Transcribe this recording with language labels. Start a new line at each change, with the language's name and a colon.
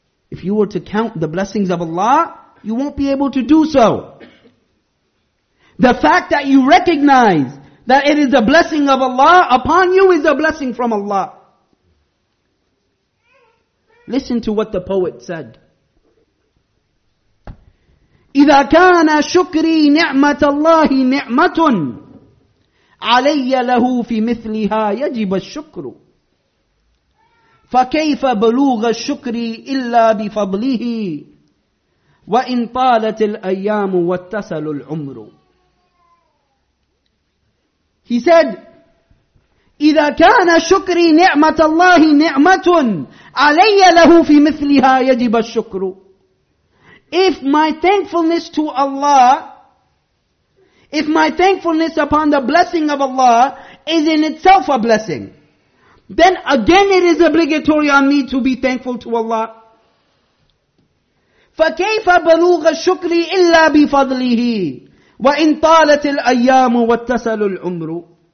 English: If you were to count the blessings of Allah, you won't be able to do so. The fact that you recognize that it is a blessing of Allah upon you is a blessing from Allah. Listen to what the poet said.
Arabic: إذا كان شكري نعمة الله نعمة علي له في مثلها يجب الشكر فكيف بلوغ الشكر إلا بفضله وإن طالت الأيام واتسل العمر.
English: He said,
Arabic: إذا كان شكري نعمة الله نعمة علي له في مثلها يجب الشكر.
English: If my thankfulness to Allah, if my thankfulness upon the blessing of Allah is in itself a blessing, then again it is obligatory on me to be thankful to Allah.
Arabic: فَكَيْفَ بَلُوغَ الشُّكْرِ إِلَّا بِفَضْلِهِ وَإِنْ طَالَتِ الْأَيَّامُ وَاتَّسَلُ الْعُمْرُ.